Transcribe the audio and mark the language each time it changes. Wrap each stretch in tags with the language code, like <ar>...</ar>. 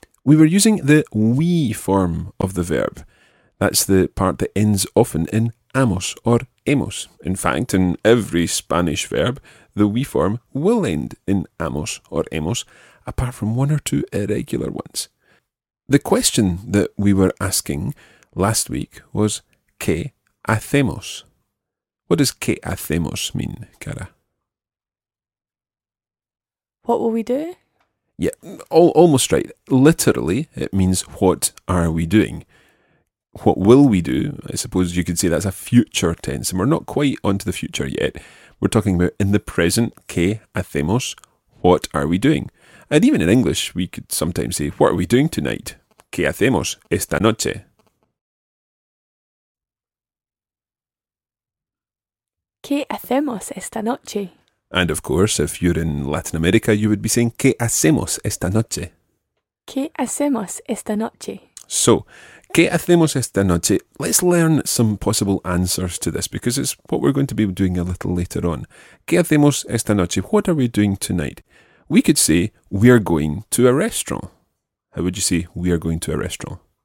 <en>We were using the we form of the verb. That's the part that ends often in amos or hemos. In fact, in every Spanish verb, the we form will end in amos or hemos, apart from one or two irregular ones. The question that we were asking last week was</en> <es>¿qué hacemos?</es> <en>What does</en> <es>¿qué hacemos</es> <en>mean, Cara? What will we do? Yeah, almost right. Literally, it means what are we doing? What will we do? I suppose you could say that's a future tense, and we're not quite onto the future yet. We're talking about in the present,</en> <es>¿qué hacemos?</es> <en>What are we doing? And even in English, we could sometimes say, what are we doing tonight?</en> <es>¿Qué hacemos esta noche? ¿Qué hacemos esta noche?</es> <en>And of course, if you're in Latin America, you would be saying,</en> <es>¿qué hacemos esta noche? ¿Qué hacemos esta noche?</es> <en>So,</en> <es>¿qué hacemos esta noche?</es> <en>Let's learn some possible answers to this, because it's what we're going to be doing a little later on.</en> <es>¿Qué hacemos esta noche?</es> <en>What are we doing tonight? We could say, we are going to a restaurant. How would you say, we are going to a restaurant?</en>